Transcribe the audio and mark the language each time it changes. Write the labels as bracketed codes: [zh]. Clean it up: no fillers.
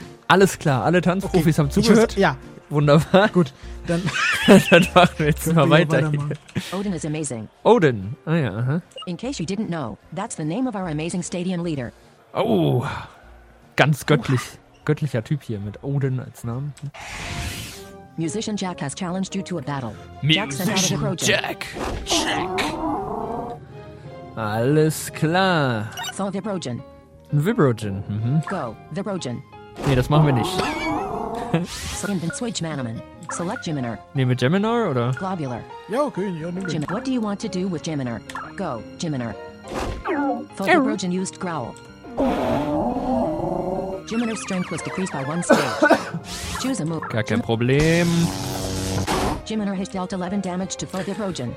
[de] Alles klar, alle Tanzprofis haben zugehört. Ja. Wunderbar. Gut, dann. Dann machen wir jetzt mal weiter hier. [en] Odin is amazing. Odin. Ah ja, aha. In case you didn't know, that's the name of our amazing stadium leader. [de] Oh, ganz göttlich. Göttlicher Typ hier mit Odin als Namen. [en] Musician Jack has challenged you to a battle. Musician Jack. Check. [de] Alles klar. So Vibrogen. Vibrogen. Mhm. [en] Go, Vibrogen. [de] Nee, das machen wir nicht. [en] Select Geminar. [de] Nehmen wir Geminar oder? Globular. Ja, okay, ja, nehmen wir. [en] What do you want to do with Geminar? Go, Geminar. Thorbrogen used Growl. Geminar's strength was decreased by one stage. Choose a move. [de] Gar kein Problem. [en] Geminar has dealt 11 damage to Thorbrogen.